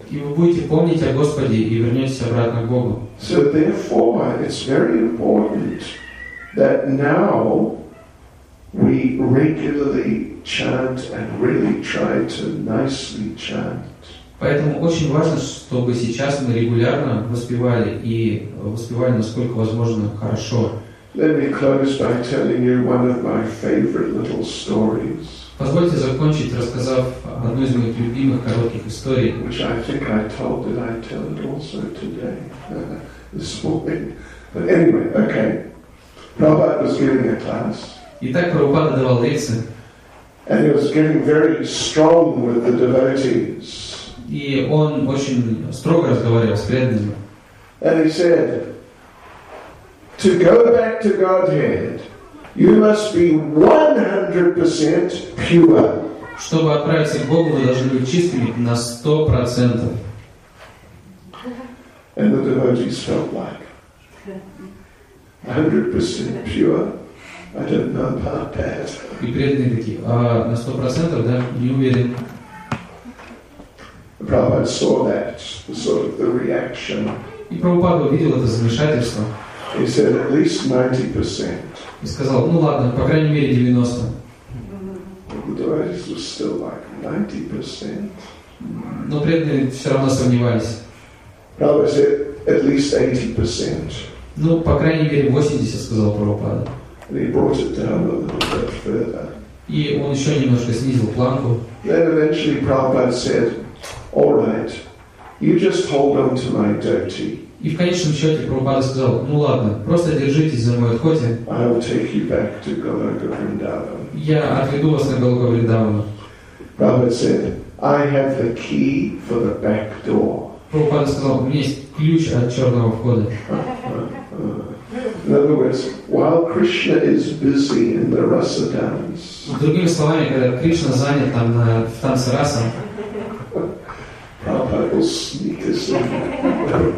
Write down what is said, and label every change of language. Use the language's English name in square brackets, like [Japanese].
[Russian] И вы будете помнить о Господе и вернетесь обратно к Богу. [English] So therefore, it's very important that now we regularly chant and really try to nicely chant. [Russian] Поэтому очень важно, чтобы сейчас мы регулярно воспевали и воспевали насколько возможно хорошо. [English] Let me close by telling you one of my favorite little stories. [Russian] Позвольте закончить, рассказав одну из моих любимых коротких историй. [English] Which I think I told, and I tell it also today, this morning. But anyway, okay. Prabhupada was giving a class. [Russian] Итак, Прабхупада давал лекции. [English] And he was getting very strong with the devotees. [Russian] И он очень строго разговаривал с преданными. [English] And he said, to go back to Godhead, you must be 100% pure. [Russian] Чтобы отправиться к Богу, вы должны быть чистыми на 100%. [English] And the devotees felt like 100% pure. I don't know about that. [Russian] И преданные такие: а на 100%, да? Не уверен. [English] Prabhupada saw that, sort of the reaction. [Russian] И Прабхупада увидел это замешательство. [English] He said at least 90%. [Russian] И сказал: ну ладно, по крайней мере 90. [English] The devotees were still like 90%. [Russian] Но преданные все равно сомневались. [English] Prabhupada said at least 80%. [Russian] Ну, по крайней мере 80%, сказал Прабхупада. [English] And he brought it down a little bit further. [Russian] И он еще немножко снизил планку. [English] Then eventually Prabhupada said, all right, you just hold on to my dhoti. [Russian] И в конечном счете Прабхупада сказал: ну ладно, просто держитесь за мой отходе. [English] I will take you back to Goloka Vrindavan. [Russian] Я отведу вас на Голоку Вриндавану. [English] Prabhupada said, I have the key for the back door. [Russian] Прабхупада сказал, у меня есть ключ от черного входа. [English] In other words, while Krishna is busy in the rasa dance. [Russian] Другими словами, когда Кришна занят там в танце раса. [English] Prabhupada will sneak us in.